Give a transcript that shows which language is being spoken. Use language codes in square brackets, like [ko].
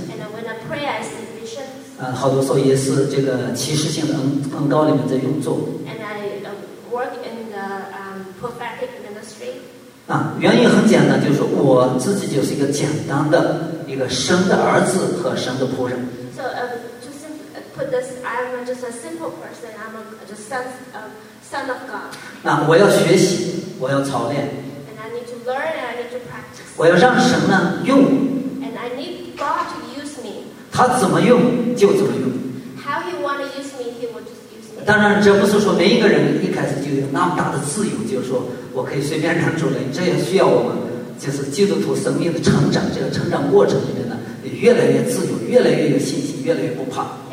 [en] And when I pray, I see visions. [zh] 好多时候也是这个启示性的恩膏里面在运作。 [en] And I work in the prophetic ministry. [zh] 原因很简单，就是我自己就是一个简单的一个神的儿子和神的仆人。 [en] So just put this, I'm just a simple person. I'm just a son of. Son of God. [zh] 我要学习，我要操练。 [en] And I need to learn and I need to practice. [zh] 我要让神呢用。 [en] And I need God to use me. [zh] 他怎么用就怎么用。 [en] How he want to use me, he will just use me. [zh] 当然，这不是说每一个人一开始就有那么大的自由，就是说我可以随便让主来。这也需要我们，就是基督徒生命的成长，这个成长过程里面呢，越来越自由，越来越有信心，越来越不怕。